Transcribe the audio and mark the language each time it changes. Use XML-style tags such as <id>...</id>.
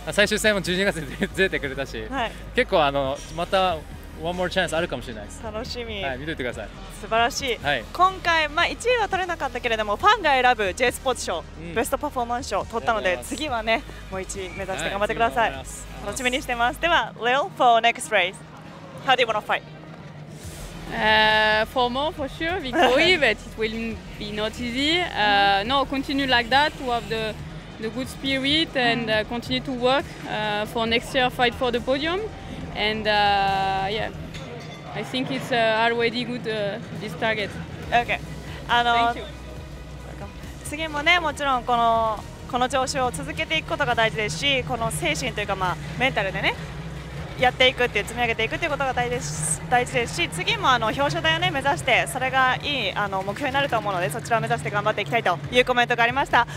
<ja>最終戦も12月にずれてくれたし、はい、結構また</ja> <en>One more chance</en> <ja>あるかもしれないです。楽しみ。はい、見といてください。素晴らしい。はい、今回、まあ、1位は取れなかったけれども、ファンが選ぶ J スポーツ賞、うん、ベストパフォーマンス賞取ったので、次はね、もう1位目指して頑張ってください。はい、楽しみにしてます。では、</ja> <en>Lil for next race. How do you want to fight? For more, for sure, victory, but it will be not easy. No, continue like that to have the good spirit and continue to work for next year, fight for the podium. And yeah, I think it's already good this target. Okay. Thank you.</en> <ja>次もね、もちろんこの調子を続けていくことが大事ですし、この精神というか、まあ、メンタルでね、やっていくっていう積み上げていくっていうことが大事ですし、次も表彰台をね目指して、それがいい目標になると思うので、そちらを目指して頑張っていきたいというコメントがありました。</ja>